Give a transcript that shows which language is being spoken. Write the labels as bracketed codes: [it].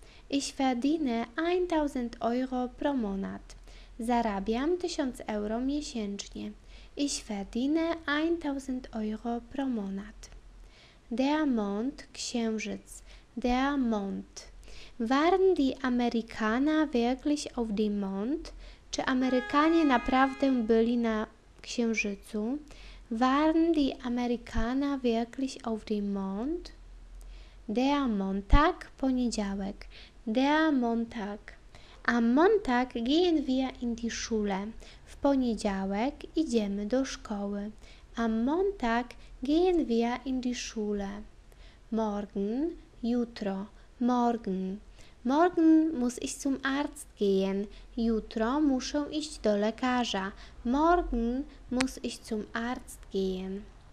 [de] Ich verdiene 1000 Euro pro Monat. [pl] Zarabiam 1000 euro miesięcznie. [de] Ich verdiene 1000 Euro pro Monat. Der Mond, [pl] Księżyc. [de] Der Mond. Waren die Amerikaner wirklich auf dem Mond? [pl] Czy Amerykanie naprawdę byli na Księżycu? [de] Waren die Amerikaner wirklich auf dem Mond? Der Montag, [pl] poniedziałek. [de] Der Montag. Am Montag gehen wir in die Schule. [pl] W poniedziałek idziemy do szkoły. [de] Am Montag gehen wir in die Schule. Morgen, [pl] jutro. [de] Morgen. Morgen muss ich zum Arzt gehen. [pl] Jutro muszę iść do lekarza. [de] Morgen muss ich zum Arzt gehen.